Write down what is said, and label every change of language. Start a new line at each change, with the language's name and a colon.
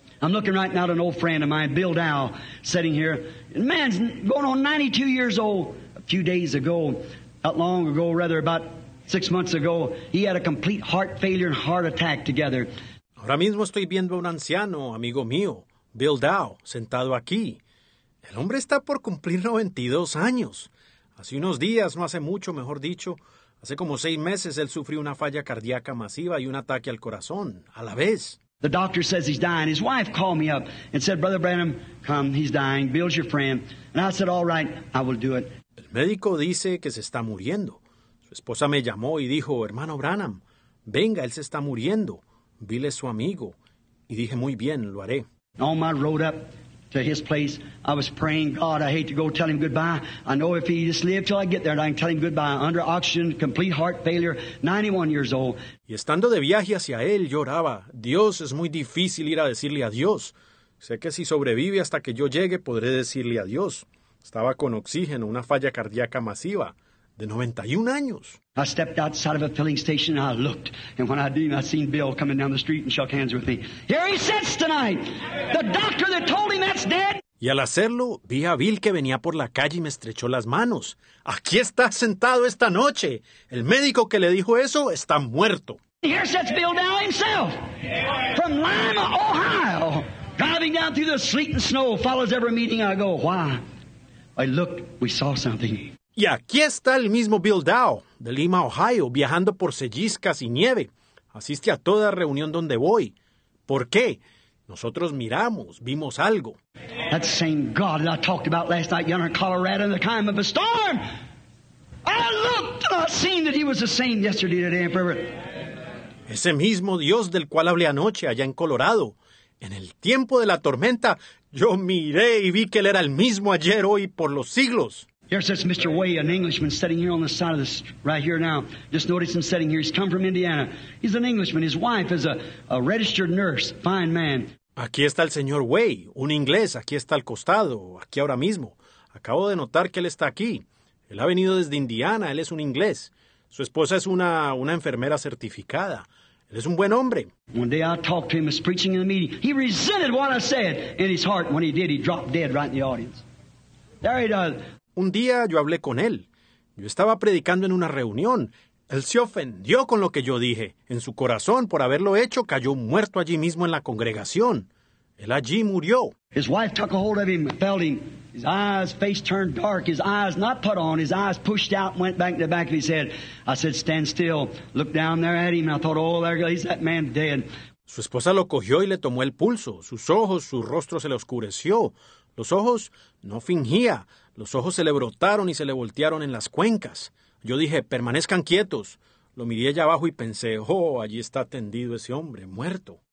English: I'm looking right now at an old friend of mine, Bill Dow, sitting here. The man's going on 92 years old. A few days ago, not long ago, rather about 6 months ago, he had a complete heart failure and heart attack together.
Spanish: Ahora mismo estoy viendo a un anciano, amigo mío, Bill Dow, sentado aquí. El hombre está por cumplir 92 años. Hace unos días, no hace mucho, mejor dicho, hace como 6 meses, él sufrió una falla cardíaca masiva y un ataque al corazón, a la vez.
English: The doctor says he's dying. His wife called me up and said, Brother Branham, come, he's dying. Bill's your friend. And I said, all right, I will do it.
Spanish: El médico dice que se está muriendo. Su esposa me llamó y dijo, hermano Branham, venga, él se está muriendo. Bill es su amigo. Y dije, muy bien, lo haré.
English: On my road up to his place, I was praying, God, I hate to go tell him goodbye. I know if he just lived till I get there, I can tell him goodbye. Under oxygen, complete heart failure, 91 years old.
Spanish: Y estando de viaje hacia él, lloraba, Dios, es muy difícil ir a decirle adiós. Sé que si sobrevive hasta que yo llegue, podré decirle adiós. Estaba con oxígeno, una falla cardíaca masiva, de 91 años.
English: I stepped outside of a filling station and I looked. And when I did, I seen Bill coming down the street and shook hands with me. Here he sits tonight. The doctor that told him that's dead.
Spanish: Y al hacerlo, vi a Bill que venía por la calle y me estrechó las manos. Aquí está sentado esta noche. El médico que le dijo eso está muerto.
English: Here sits Bill Dow himself. From Lima, Ohio. Driving down through the sleet and snow. Follows every meeting I go. Why? I looked. We saw something.
Spanish: Y aquí está el mismo Bill Dow, de Lima, Ohio, viajando por celliscas y nieve. Asiste a toda reunión donde voy. ¿Por qué? Nosotros miramos, vimos algo.
English: That same God that I talked about last night, yonder in Colorado, in the time of a storm. I looked and I seen that he was the same yesterday, today, and forever.
Spanish: Ese mismo Dios del cual hablé anoche allá en Colorado. En el tiempo de la tormenta, yo miré y vi que él era el mismo ayer, hoy, por los siglos.
English: Here sits Mr. Way, an Englishman, sitting here on the side of this, right here now. Just notice him sitting here. He's come from Indiana. He's an Englishman. His wife is a registered nurse. Fine man.
Spanish: Aquí está el señor Way, un inglés. Aquí está al costado, aquí ahora mismo. Acabo de notar que él está aquí. Él ha venido desde Indiana. Él es un inglés. Su esposa es una enfermera certificada. Él es un buen hombre.
English: One day I talked to him. He was preaching in the meeting. He resented what I said in his heart. When he did, he dropped dead right in the audience. There he does.
Spanish: Un día yo hablé con él. Yo estaba predicando en una reunión. Él se ofendió con lo que yo dije. En su corazón, por haberlo hecho, cayó muerto allí mismo en la congregación. Él allí murió.
English: His wife took a hold of him, felt him. His eyes, face turned dark. His eyes not put on. His eyes pushed out, went back to the back of his head. I said, stand still. Look down there at him. And I thought, oh, there goes that man dead.
Spanish: Su esposa lo cogió y le tomó el pulso. Sus ojos, su rostro se le oscureció. Los ojos no fingía. Los ojos se le brotaron y se le voltearon en las cuencas. Yo dije, permanezcan quietos. Lo miré allá abajo y pensé, oh, allí está tendido ese hombre, muerto.